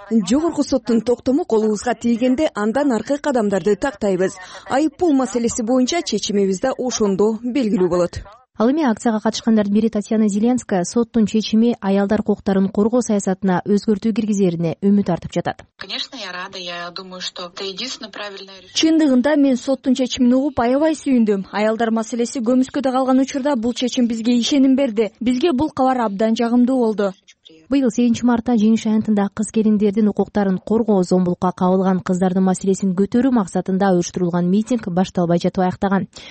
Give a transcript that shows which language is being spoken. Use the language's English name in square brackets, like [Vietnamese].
[Kyrgyz] Жогорку соттун токтому колубузга тийгенде андан аркы кадамдарды тактайбыз. Айыппул маселеси боюнча чечимибизде ошондо белгилүү болот. Ал эми акцияга катышкандардын бири Татьяна Зеленская соттун чечими аялдар укуктарын коргоо саясатына өзгөртүү киргизерине үмүт артып жатат. [Russian] Конечно, я рада, я думаю, что это единственное правильное решение. [Kyrgyz] Чындыгында мен соттун чечимин угуп аябай сүйүндүм. Аялдар маселеси көмүскөдө калган учурда бул чечим бизге ишеним берди. Бизге бул кабар абдан жагымдуу болду. Быйыл 8 мартта Жеңиш айынтында кыз келиндердин укуктарын коргоо зомбулукка кабылган кыздардын маселесин көтөрүү максатында уюштурулган митинг башталбай жатып аяктаган.